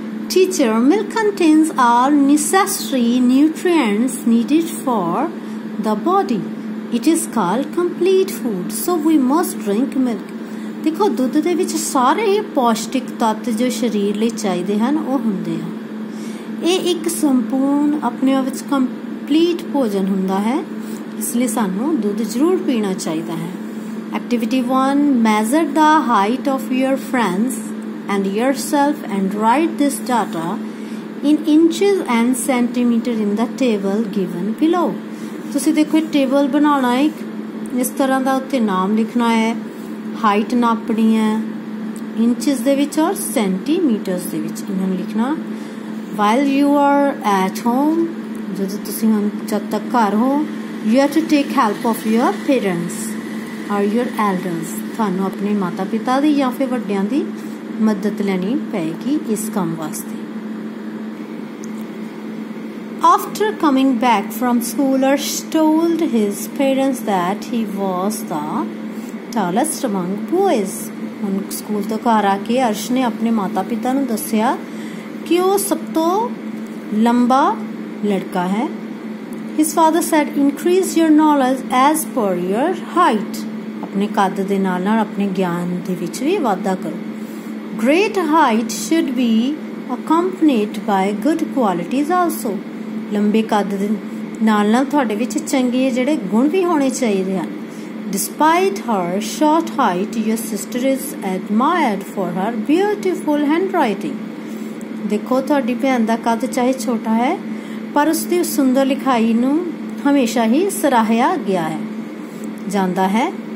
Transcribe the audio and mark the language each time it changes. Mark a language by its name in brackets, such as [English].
[English] Teacher milk contains all necessary nutrients needed for the body. It is called complete food, so we must drink milk. [Punjabi] देखो दूध दे विच सारे ही पौष्टिक तत्व जो शरीर लई चाहिए हैं वह होंगे हैं। ਇਹ ਇੱਕ ਸੰਪੂਰਨ ਆਪਣੇ ਆਪ ਵਿੱਚ ਕੰਪਲੀਟ ਭੋਜਨ ਹੁੰਦਾ ਹੈ ਇਸ ਲਈ ਸਾਨੂੰ ਦੁੱਧ ਜ਼ਰੂਰ ਪੀਣਾ ਚਾਹੀਦਾ ਹੈ। [English] Activity 1 measure the height of your friends and yourself and write this data in inches and centimeter in the table given below. [Punjabi] ਤੁਸੀਂ ਦੇਖੋ ਇਹ ਟੇਬਲ ਬਣਾਉਣਾ ਹੈ, ਇਸ ਤਰ੍ਹਾਂ ਦਾ ਉੱਤੇ ਨਾਮ ਲਿਖਣਾ ਹੈ, ਹਾਈਟ ਨਾਪਣੀ ਹੈ ਇੰਚਸ ਦੇ ਵਿੱਚ ਔਰ ਸੈਂਟੀਮੀਟਰਸ ਦੇ ਵਿੱਚ ਇਹਨਾਂ ਨੂੰ ਲਿਖਣਾ। [English] while you are at home, [Punjabi] ਜਦੋਂ ਤੁਸੀਂ ਹੁਣ ਜਦ ਤੱਕ ਘਰ ਹੋ, [English] you have to take help of your parents or your elders, [Punjabi] ਤੁਹਾਨੂੰ ਆਪਣੇ ਮਾਤਾ ਪਿਤਾ ਦੀ ਜਾਂ ਫਿਰ ਵੱਡਿਆਂ ਦੀ ਮਦਦ ਲੈਣੀ ਪਏਗੀ ਇਸ ਕੰਮ ਵਾਸਤੇ। [English] After coming back from school, Arsh told his parents that he was the tallest among boys. [Punjabi] ਹੁਣ ਸਕੂਲ ਤੋਂ ਘਰ ਆ ਕੇ ਅਰਸ਼ ਨੇ ਆਪਣੇ ਮਾਤਾ ਪਿਤਾ ਨੂੰ ਦੱਸਿਆ ਕਿ ਉਹ ਸਭ ਤੋਂ ਲੰਬਾ ਲੜਕਾ ਹੈ। [English] His father said, increase your knowledge as per your height. [Punjabi] ਆਪਣੇ ਕੱਦ ਦੇ ਨਾਲ ਨਾਲ ਆਪਣੇ ਗਿਆਨ ਦੇ ਵਿੱਚ ਵੀ ਵਾਧਾ ਕਰੋ। [English] Great height should be accompanied by good qualities also. [Punjabi] ਲੰਬੇ ਕੱਦ ਦੇ ਨਾਲ ਨਾਲ ਤੁਹਾਡੇ ਵਿੱਚ ਚੰਗੇ ਜਿਹੜੇ ਗੁਣ ਵੀ ਹੋਣੇ ਚਾਹੀਦੇ ਹਨ। [English] Despite her short height, your sister is admired for her beautiful handwriting. [Punjabi] ਦੇਖੋ ਤੁਹਾਡੀ ਭੈਣ ਦਾ ਕੱਦ ਚਾਹੇ ਛੋਟਾ ਹੈ ਪਰ ਉਸਦੀ ਸੁੰਦਰ ਲਿਖਾਈ ਨੂੰ ਹਮੇਸ਼ਾ ਹੀ ਸਰਾਹਿਆ ਗਿਆ ਹੈ ਜਾਂਦਾ ਹੈ।